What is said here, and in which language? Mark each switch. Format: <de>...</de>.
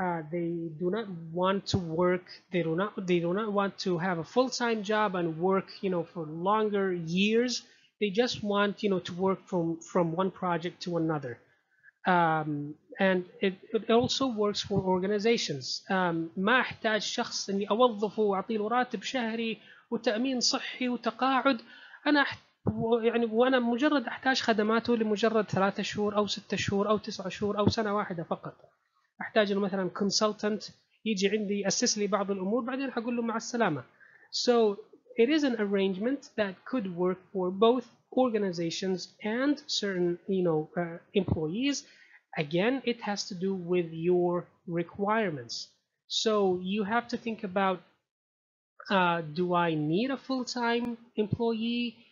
<en>They do not want to work. They do not want to have a full-time job and work, you know, for longer years. They just want, you know, to work from one project to another. And it also works for organizations.</en> <ar>ما أحتاج شخص إني أوظفه وأعطيه راتب شهري وتأمين صحي وتقاعد. أنا يعني وأنا مجرد أحتاج خدماته لمجرد 3 شهور أو 6 شهور أو 9 شهور أو سنة واحدة فقط. أحتاج له مثلاً consultant يجي عندي أسس لي بعض الأمور بعدين هقول له مع السلامة.</ar> <en>So it is an arrangement that could work for both organizations and certain, you know, employees. Again, it has to do with your requirements. So you have to think about, do I need a full-time employee?</en>